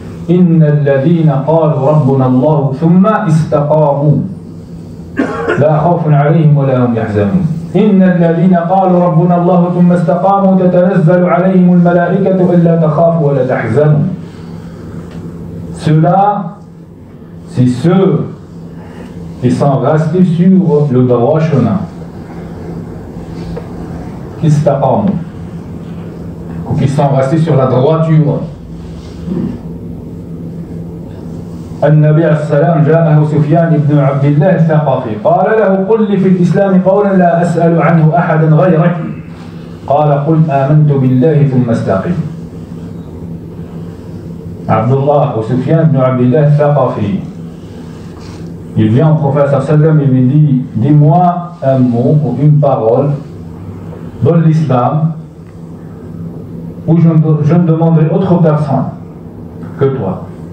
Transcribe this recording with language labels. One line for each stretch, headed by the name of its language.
Arabic: إن الذين قالوا ربنا الله ثم استقاموا لا خوف عليهم ولا هم يحزنون. إن الذين قالوا ربنا الله ثم استقاموا تتنزل عليهم الملائكة ألا تخافوا ولا تحزنوا.
French: Cela, c'est ceux qui sont restés sur le droit chemin, qui استقاموا, ou qui sont restés sur la droiture.
Arabic: النبي عليه السلام جاءه سفيان بن عبد الله الثقفي قال له قل لي في الإسلام قولا لا أسأل عنه أحدا غيرك قال قل آمنت بالله ثم استقم.
French: عبد الله وسفيان بن عبد الله الثقفي il vient au prophète
Arabic: صلى الله عليه وسلم,
French: il lui dit dis-moi un mot ou une parole dans l'islam où je ne demanderai autre personne que toi.